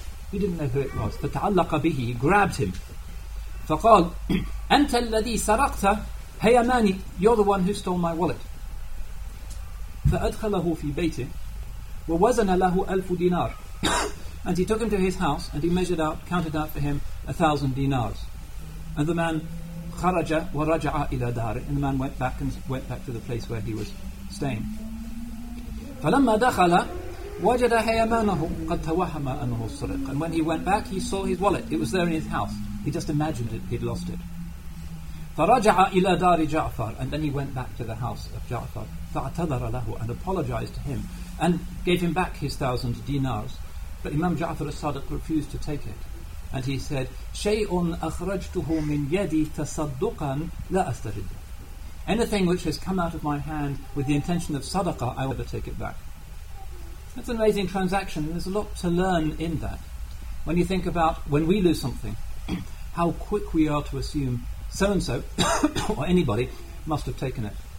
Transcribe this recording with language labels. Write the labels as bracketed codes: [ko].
[en] He didn't know who it was. [ar] فَتَعَلَّقَ بِهِ. [en] He grabbed him. [ar] فَقَالْ أَنْتَ الَّذِي سَرَقْتَ. [en] Hey Amani, you're the one who stole my wallet. [ar] فَأَدْخَلَهُ فِي بَيْتِهِ وَوَزَنَ لَهُ أَلْفُ دِينَارٍ. [en] And he took him to his house and he measured out, counted out for him 1,000 dinars. And the man [ar] خَرَجَ وَرَجَعَ إِلَى دَارِهِ. [en] And the man went back and went back to the place where he was staying. [ar] فَلَمَّا دَخَلَ وَجَدَ هَيَمَانَهُ قَدْ تَوَهَّمَ أَنَّهُ سُرِقَ. [en] And when he went back, he saw his wallet. It was there in his house. He just imagined it. He'd lost it. [ar] فَرَجَعَ إِلَى دَارِ جَعْفَرٍ. [en] And then he went back to the house of Ja'far. [ar] فَاَعْتَذَرَ لَهُ. [en] And apologized to him. And gave him back his 1,000 dinars. But Imam Ja'far al-Sadiq refused to take it. And he said, [ar] شَيْءٌ أَخْرَجْتُهُ مِنْ يَدِي تَصَدُّقًا لَا أَسْتَرِدُ. [en] Anything which has come out of my hand with the intention of sadaqah, I will never take it back. That's an amazing transaction. There's a lot to learn in that. When you think about when we lose something, how quick we are to assume so-and-so, or anybody, must have taken it.